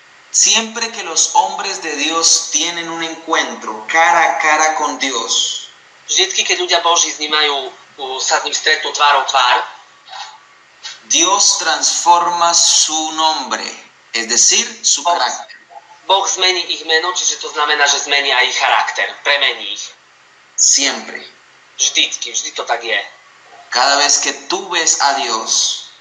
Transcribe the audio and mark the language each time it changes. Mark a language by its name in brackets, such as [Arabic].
[Spanish] Siempre que los hombres de Dios tienen un encuentro cara a cara con Dios. [Slovak] Vždycky, keď ľudia Boží vnímajú, sa s ním stretnú tvárou tvár. [Spanish] Dios transforma su nombre, es decir, su carácter. [Slovak] Boh zmení ich meno, čiže to znamená, že zmení aj ich charakter, premení ich. [Spanish] Siempre. [Slovak] Vždycky, vždy to tak je. [Spanish] Cada vez que tú ves a Dios.